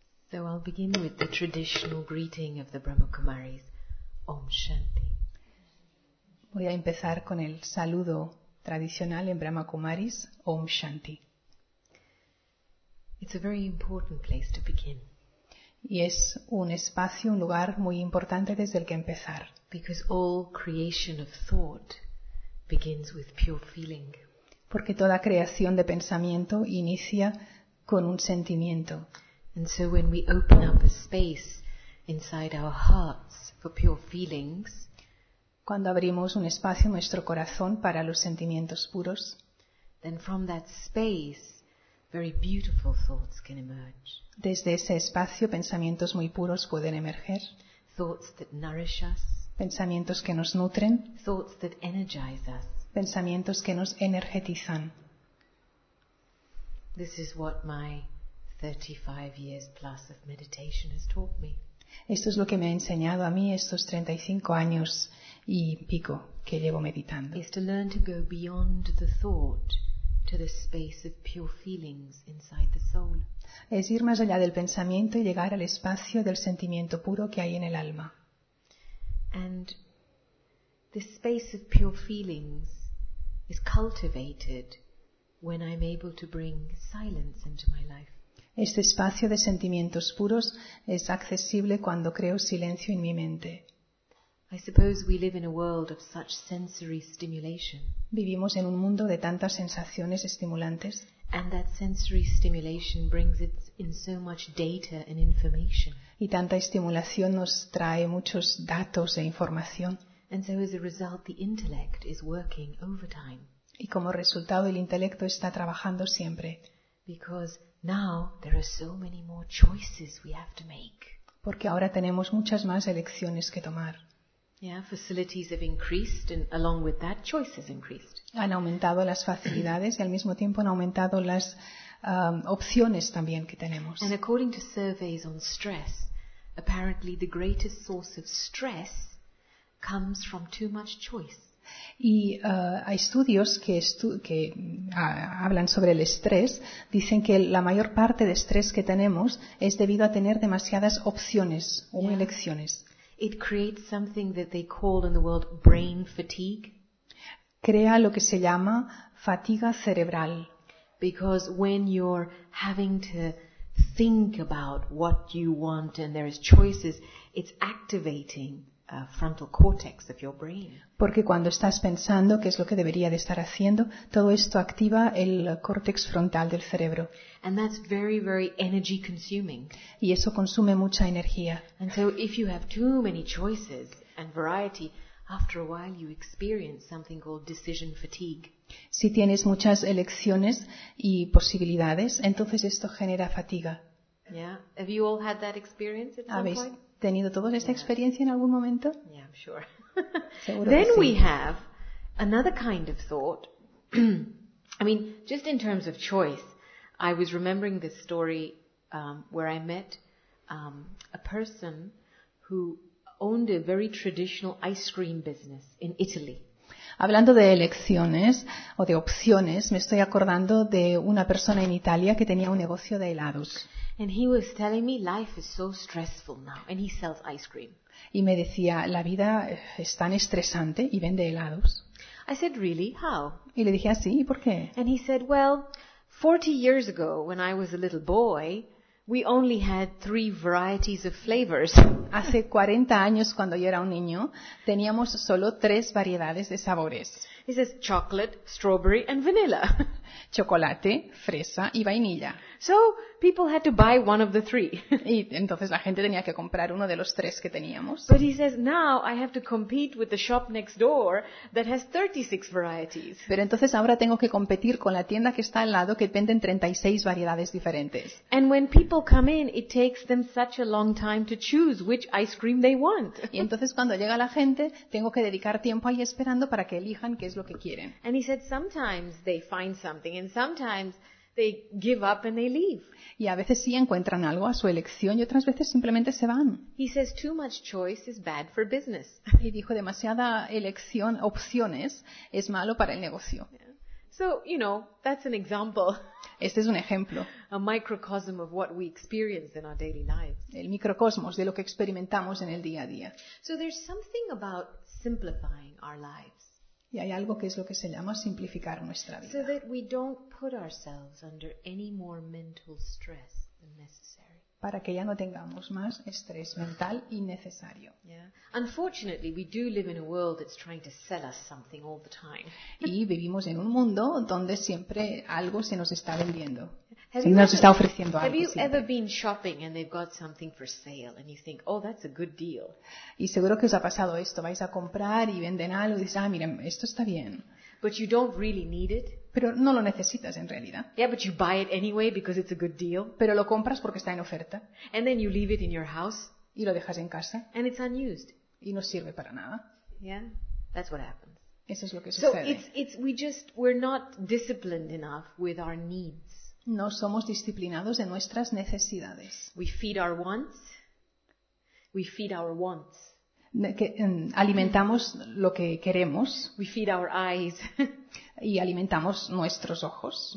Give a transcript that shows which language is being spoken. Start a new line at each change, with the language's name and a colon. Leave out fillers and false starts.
English: So I'll begin with the traditional greeting of the Brahma Kumaris, Om Shanti.
Spanish: Voy a empezar con el saludo tradicional en Brahma Kumaris, Om Shanti.
English: It's a very important place to begin.
Spanish: Y es un espacio, un lugar muy importante desde el que empezar.
English: Because all creation of thought begins with pure feeling.
Spanish: Porque toda creación de pensamiento inicia con un sentimiento.
English: And so when we open up a space inside our hearts for pure feelings,
Spanish: cuando abrimos un espacio en nuestro corazón para los sentimientos puros,
English: then from that space very beautiful thoughts can emerge.
Spanish: Desde ese espacio, pensamientos muy puros pueden emerger.
English: Thoughts that nourish us.
Spanish: Pensamientos que nos nutren.
English: Thoughts that energize us.
Spanish: Pensamientos que nos energetizan.
English: This is what my 35 years plus of meditation has taught me.
Spanish: Esto es lo que me ha enseñado a mí estos 35 años y pico que llevo meditando.
English: Is to learn to go beyond the thought to the space of pure feelings inside the soul.
Spanish: Es ir más allá del pensamiento y llegar al espacio del sentimiento puro que hay en el alma.
English: And this space of pure feelings is cultivated when I'm able to bring silence into my life.
Spanish: Este espacio de sentimientos puros es accesible cuando creo silencio en mi mente.
English: I suppose we live in a world of such sensory stimulation.
Spanish: Vivimos en un mundo de tantas sensaciones estimulantes.
English: And that sensory stimulation brings it in so much data and information.
Spanish: Y tanta estimulación nos trae muchos datos e información.
English: And so as a result, the intellect is working overtime.
Spanish: Y como resultado, el intelecto está trabajando siempre.
English: Because now there are so many more choices we have to make.
Spanish: Porque ahora tenemos muchas más elecciones que tomar.
English: Yeah, facilities have increased, and along with that, choices increased.
Spanish: Han aumentado las facilidades y al mismo tiempo han aumentado las opciones también que tenemos.
English: And according to surveys on stress, apparently the greatest source of stress comes from too much choice.
Spanish: Y hay estudios que hablan sobre el estrés, dicen que la mayor parte de estrés que tenemos es debido a tener demasiadas opciones o
English: yeah.
Spanish: Elecciones.
English: It creates something that they call in the world brain fatigue.
Spanish: Crea lo que se llama fatiga cerebral.
English: Because when you're having to think about what you want and there is choices, it's activating a frontal cortex of your brain.
Spanish: Porque cuando estás pensando qué es lo que debería de estar haciendo, todo esto activa el córtex frontal del cerebro.
English: And that's very, very energy consuming.
Spanish: Y eso consume mucha energía.
English: And so if you have too many choices and variety, after a while you experience something called decision fatigue.
Spanish: Si tienes muchas elecciones y posibilidades, entonces esto genera fatiga.
English: Yeah. Have you all had that experience at some
Spanish: ¿Habéis
English: point?
Spanish: ¿Tenido todos esta experiencia en algún momento?
English: Yeah, I'm sure. Then we have another kind of thought, I mean, just in terms of choice, I was remembering this story where I met a person who owned a very traditional ice cream business in Italy.
Spanish: Hablando de elecciones o de opciones, me estoy acordando de una persona en Italia que tenía un negocio de helados.
English: And he was telling me life is so stressful now, and he sells ice cream.
Spanish: Y me decía, la vida es tan estresante y vende helados.
English: I said, really? How?
Spanish: Y le dije, ¿así? ¿Y por qué?
English: And he said, well, 40 years ago, when I was a little boy, we only had 3 varieties of flavors.
Spanish: Hace 40 años, cuando yo era un niño, teníamos solo 3 variedades de sabores.
English: He says, chocolate, strawberry, and vanilla.
Spanish: Chocolate, fresa y vainilla.
English: So people had to buy one of the 3.
Spanish: Y entonces la gente tenía que comprar uno de los 3 que teníamos.
English: But he says, now I have to compete with the shop next door that has 36 varieties.
Spanish: Pero entonces ahora tengo que competir con la tienda que está al lado que venden 36 variedades diferentes.
English: And when people come in, it takes them such a long time to choose which ice cream they want.
Spanish: Y entonces cuando llega la gente, tengo que dedicar tiempo ahí esperando para que elijan qué es lo que quieren.
English: And he said, sometimes they find something and sometimes they give up and they leave.
Spanish: Y a veces sí encuentran algo a su elección y otras veces simplemente se van.
English: He says too much choice is bad for business.
Spanish: Y dijo demasiada elección, opciones es malo para el negocio.
English: So, you know, that's an example.
Spanish: Este es un ejemplo.
English: A microcosm of what we experience in our daily lives.
Spanish: El microcosmos de lo que experimentamos en el día a día.
English: So there's something about simplifying our lives.
Spanish: Y hay algo que es lo que se llama simplificar nuestra vida.
English: So that we don't put ourselves under any more mental stress than necessary.
Spanish: Para que ya no tengamos más estrés mental innecesario.
English: Yeah. Unfortunately, we do live in a world that's trying to sell us something all the time.
Spanish: Y vivimos en un mundo donde siempre algo se nos está vendiendo. Se nos está ofreciendo algo.
English: Have you ever been shopping and they've got something for sale and you think, oh, that's a good deal?
Spanish: Y seguro que os ha pasado esto, vais a comprar y venden algo y dices, ah, miren, esto está bien.
English: But you don't really need it.
Spanish: Pero no lo necesitas en realidad.
English: Yeah, but you buy it anyway because it's a good deal.
Spanish: Pero lo compras porque está en oferta.
English: And then you leave it in your house.
Spanish: Y lo dejas en casa.
English: And it's unused.
Spanish: Y no sirve para nada.
English: Yeah, that's what happens.
Spanish: Eso es lo que
English: so
Spanish: sucede.
English: So we're not disciplined enough with our needs.
Spanish: No somos disciplinados en nuestras necesidades.
English: We feed our wants. We feed our wants.
Spanish: Alimentamos lo que queremos.
English: We feed our eyes.
Spanish: Y alimentamos nuestros ojos.